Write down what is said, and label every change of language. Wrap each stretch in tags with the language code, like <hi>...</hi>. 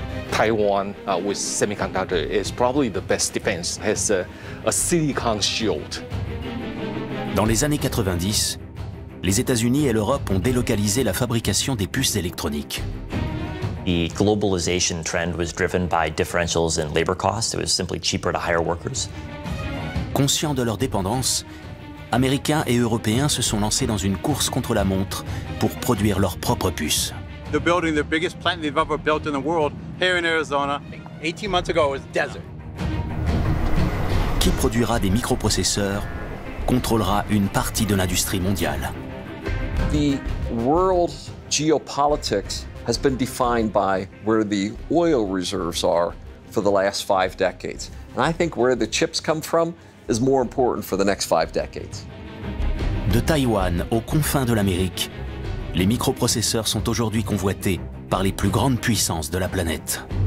<en>Taiwan with semiconductor is probably the best defense, has a silicon shield.</en> <fr>Dans les années 90, les États-Unis et l'Europe ont délocalisé la fabrication des puces électroniques.</fr> <en>The globalization trend was driven by differentials in labor costs. It was simply cheaper to hire workers.</en> <fr>Conscient de leur dépendance, Américains et Européens se sont lancés dans une course contre la montre pour produire leurs propres puces.</fr> <en>They're building the biggest plant they've ever built in the world here in Arizona. 18 months ago, it was desert.</en> <fr>Qui produira des microprocesseurs contrôlera une partie de l'industrie mondiale.</fr> <en>The world geopolitics has been defined by where the oil reserves are for the last five decades. And I think where the chips come from is more important for the next five decades.</en> <fr>De Taïwan aux confins de l'Amérique, les microprocesseurs sont aujourd'hui convoités par les plus grandes puissances de la planète.</fr>